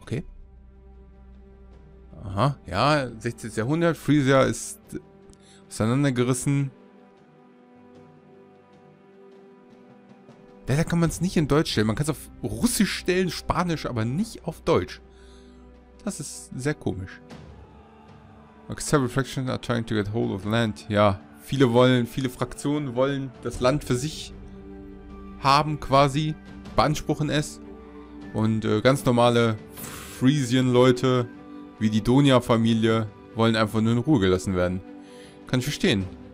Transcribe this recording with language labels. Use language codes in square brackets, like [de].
[de] Okay. Aha. Ja, 16. Jahrhundert. Frisia ist auseinandergerissen. Leider kann man es nicht in Deutsch stellen. Man kann es auf Russisch stellen, Spanisch, aber nicht auf Deutsch. Das ist sehr komisch. [en] Several factions are trying to get hold of land. [de] Ja, viele Fraktionen wollen das Land für sich haben quasi, beanspruchen es. Und ganz normale Frisian-Leute, wie die Donia-Familie, wollen einfach nur in Ruhe gelassen werden. Kann ich verstehen.